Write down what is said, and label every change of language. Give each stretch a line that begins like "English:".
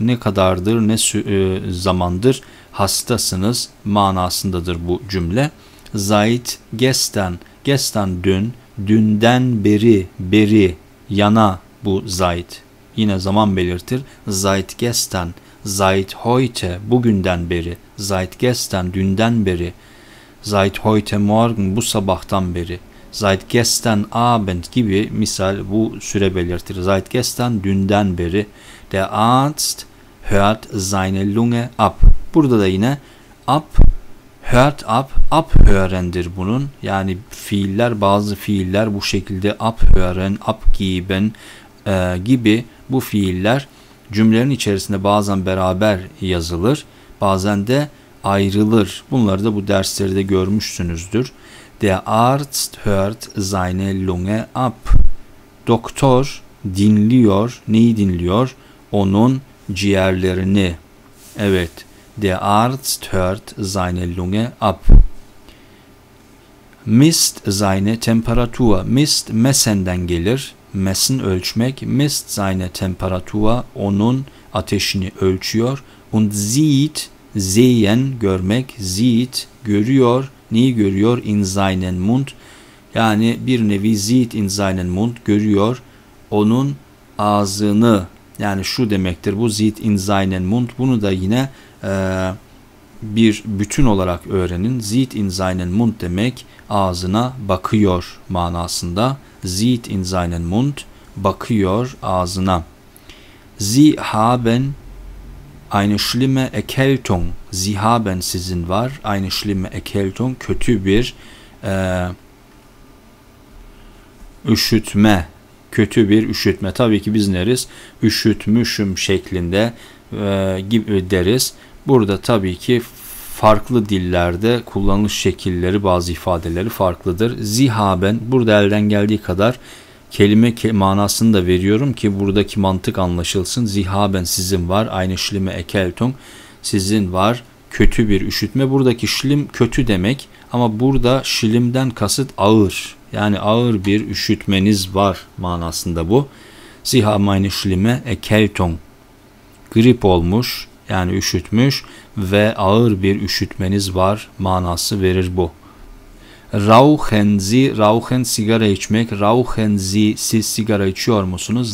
Turkish: Ne kadardır, ne zamandır hastasınız manasındadır bu cümle. Seit gestern, gestern dün, dünden beri, beri, yana bu seit. Yine zaman belirtir.
German: Seit gestern. Seit heute,
Turkish: bugünden beri.
German: Seit gestern,
Turkish: dünden beri.
German: Seit heute morgen,
Turkish: bu sabahtan beri. Seit gestern Abend gibi misal bu süre belirtir. Seit gestern, dünden beri.
German: Der Arzt hört seine Lunge ab.
Turkish: Burada da yine ab, hört ab, ab hörendir bunun. Yani fiiller, bazı fiiller bu şekilde ab hören, ab geben gibi bu fiiller cümlenin içerisinde bazen beraber yazılır, bazen de ayrılır. Bunları da bu derslerde görmüşsünüzdür.
German: Der Arzt hört seine Lunge ab.
Turkish: Doktor dinliyor. Neyi dinliyor? Onun ciğerlerini. Evet.
German: Der Arzt hört seine Lunge ab. Misst seine Temperatur. Misst, messen'den gelir. Messen ölçmek. Misst seine Temperatur,
Turkish: onun ateşini ölçüyor.
German: Und sieht,
Turkish: sehen, görmek, sieht, görüyor, neyi görüyor, in seinen Mund, yani bir nevi
German: sieht in seinen Mund,
Turkish: görüyor, onun ağzını, yani şu demektir, bu sieht in seinen Mund, bunu da yine bir bütün olarak öğrenin, sieht in seinen Mund demek, ağzına bakıyor manasında, sieht in seinen Mund, bakıyor ağzına.
German: Sie haben eine schlimme Erkältung. Sie haben,
Turkish: sizin var.
German: Eine schlimme Erkältung.
Turkish: Kötü bir üşütme. Kötü bir üşütme. Tabii ki biz neriz? Üşütmüşüm şeklinde gibi deriz. Burada tabii ki farklı dillerde kullanılış şekilleri, bazı ifadeleri farklıdır. Sie haben, burada elden geldiği kadar kelime manasını da veriyorum ki buradaki mantık anlaşılsın. Sie haben, sizin var.
German: Eine schlimme Erkältung,
Turkish: sizin var. Kötü bir üşütme. Buradaki schlimm kötü demek ama burada schlimm'den kasıt ağır. Yani ağır bir üşütmeniz var manasında bu.
German: Sie haben eine schlimme Erkältung.
Turkish: Grip olmuş, yani üşütmüş ve ağır bir üşütmeniz var manası verir bu.
German: Rauchen Sie,
Turkish: rauchen, sigara içmek. Rauchen Sie, siz sigara içiyor musunuz?